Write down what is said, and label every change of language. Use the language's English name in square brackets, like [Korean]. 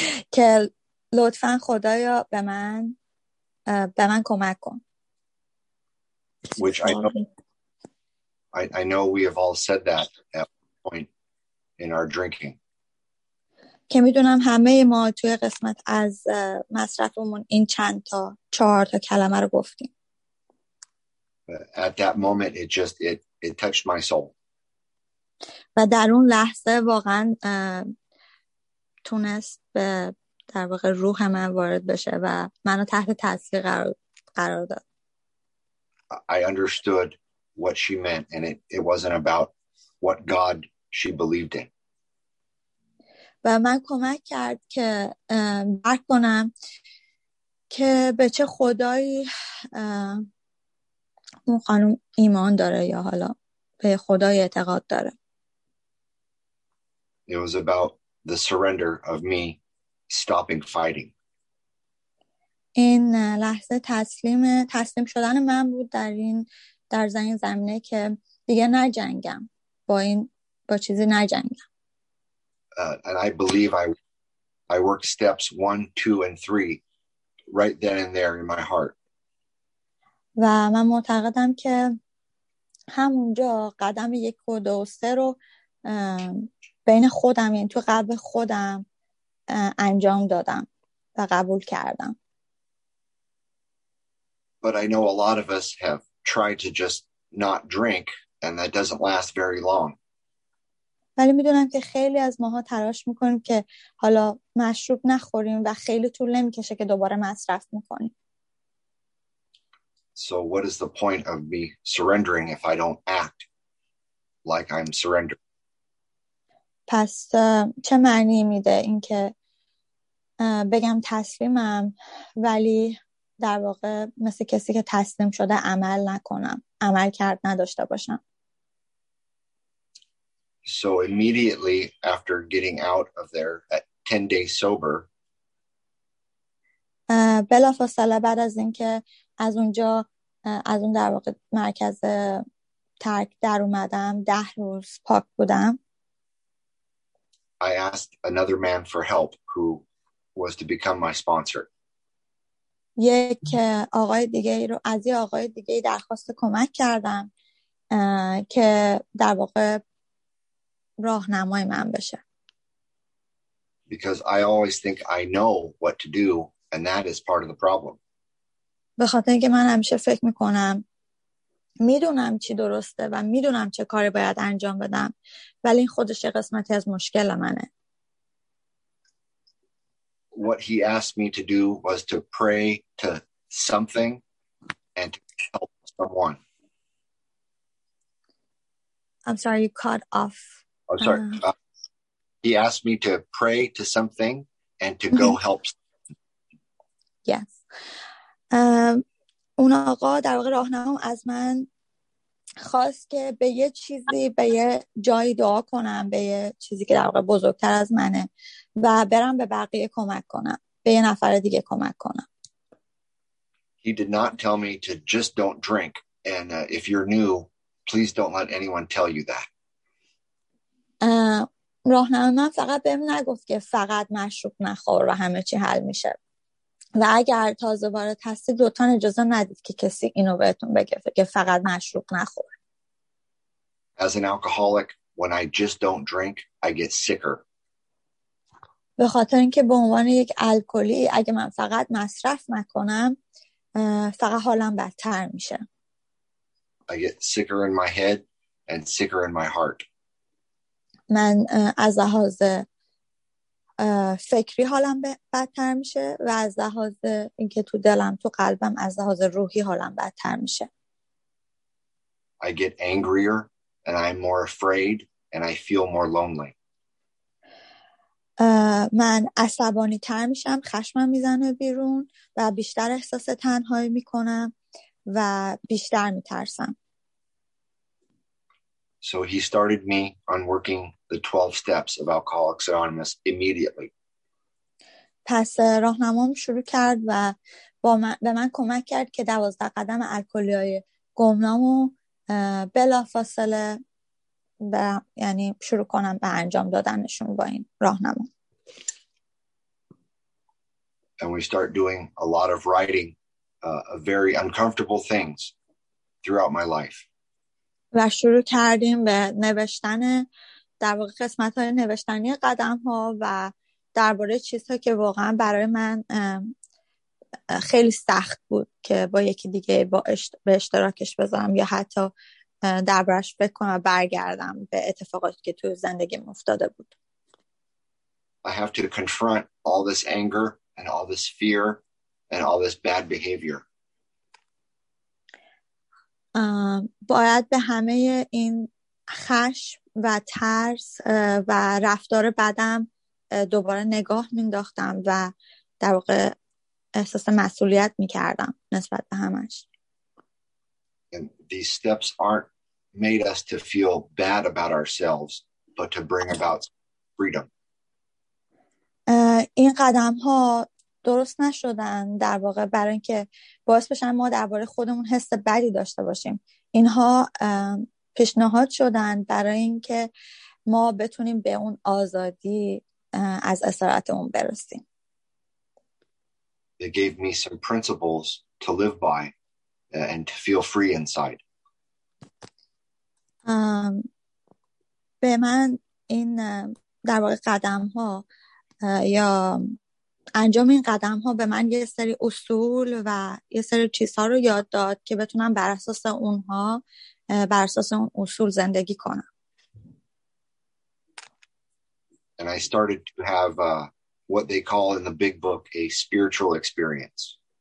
[Persian] که لطفاً خدایا به من کمک کن. [English] Which I know we have all said that at point in our drinking. [Persian] که میدونم همه ما توی قسمت از مصرفمون این چند تا چهار تا کلمه رو گفتیم. [English] At that moment it touched my soul. [Persian] و در اون لحظه واقعا تونست به در واقع روح من وارد بشه و منو تحت تاثیر قرار داد. [English] I understood what she meant and it wasn't about what God she believed in. [Persian] و من کمک کرد که درک کنم که به چه خدایی اون خانم ایمان داره یا حالا به خدای اعتقاد داره. [English] It was about the surrender of me stopping fighting. [Persian] این لحظه تسلیم شدن من بود در این در زمینه که دیگه نجنگم با چیزی نجنگم. [English] And I believe I worked steps 1, 2, and 3 right then and there in my heart. [Persian] و من معتقدم که همونجا قدم 1, 2, 3 رو بین خودم یعنی تو قلب خودم انجام دادم و قبول کردم. [English] But I know a lot of us have tried to just not drink and that doesn't last very long. [Persian] ولی میدونم که خیلی از ماها تلاش میکنیم که حالا مشروب نخوریم و خیلی طول نمیکشه که دوباره مصرف میکنیم. [English] So what is the point of me surrendering if I don't act like I'm surrendering? [Persian] پس چه معنی میده اینکه بگم تسلیمم ولی در واقع مثل کسی که تسلیم شده عمل نکنم، عمل کرد نداشته باشم. [English] So immediately after getting out of there at 10 days sober, [Persian] بلافاصله بعد از اینکه از اونجا از اون در واقع مرکز ترک در اومدم 10 روز پاک بودم. [English] I asked another man for help who was to become my sponsor. [Persian] یک آقای دیگه رو از یه آقای دیگه درخواست کمک کردم که در واقع راهنمای من بشه. [English] Because I always think I know what to do and that is part of the problem. [Persian] به خاطر اینکه من همیشه فکر میکنم میدونم چی درسته و میدونم چه کاری باید انجام بدم ولی این خودش یه قسمتی از مشکل منه. [English] What he asked me to do was to pray to something and help someone. I'm sorry, you cut off. I'm sorry. He asked me to pray to something and to go help. Yes. [Persian] اون آقا در واقع راهنما از من خواست که به یه چیزی به یه جایی دعا کنم، به یه چیزی که در واقع بزرگتر از منه، و برم به بقیه کمک کنم، به یه نفر دیگه کمک کنم. [English] He did not tell me to just don't drink, and if you're new, please don't let anyone tell you that. [Persian] راهنما من فقط بهم نگفت که فقط مشروب نخور و همه چی حل میشه. و اگر تازه وارد هستید دو تا اجازه ندید که کسی اینو بهتون بگه که فقط مشروب نخور. [English] As an alcoholic, when I just don't drink, I get sicker. [Persian] به خاطر اینکه به عنوان یک الکلی اگه من فقط مصرف نکنم فقط حالم بدتر میشه. [English] I get sicker in my head and sicker in my heart. [Persian] من از لحاظ فکری حالم بدتر میشه و از لحاظ اینکه تو دلم تو قلبم از لحاظ روحی حالم بدتر میشه. [English] I get angrier and I'm more afraid and I feel more lonely. [Persian] من عصبانی تر میشم، خشمم میزنه بیرون و بیشتر احساس تنهایی میکنم و بیشتر میترسم. [English] So he started me on working the 12 steps of Alcoholics Anonymous immediately. [Persian] پس راهنمام شروع کرد و با من به من کمک کرد که 12 قدم الکلی‌های گمنامو بلافاصله و یعنی شروع کنم به انجام دادنشون با این راهنما. [English] And we start doing a lot of writing very uncomfortable things throughout my life. [Persian] و شروع کردیم به نوشتن در واقع قسمت های نوشتنی قدم ها و درباره چیزهایی که واقعا برای من خیلی سخت بود که با یکی دیگه با به اشتراکش بذارم یا حتی دربارش بکنم و برگردم به اتفاقاتی که تو زندگیم افتاده بود. [English] I have to confront all this anger and all this fear and all this bad behavior. [Persian] باید به همه این خشم و ترس و رفتار بدم دوباره نگاه مینداختم و در واقع احساس مسئولیت میکردم نسبت به همش. [English] And these steps aren't made us to feel bad about ourselves, but to bring about freedom. [Persian] این قدم ها درست نشدن در واقع برای اینکه باعث بشن ما درباره خودمون حس بدی داشته باشیم. اینها پیشنهاد شدن برای اینکه ما بتونیم به اون آزادی از اسارتمون برسیم. [English] They gave me some principles to live by and to feel free inside. [Persian] به من این در واقع قدم ها یا انجام این قدم ها به من یه سری اصول و یه سری چیزها رو یاد داد که بتونم بر اساس اونها بر اساس اون اصول زندگی کنم. [English] And I started to have what they call in the big book a spiritual experience.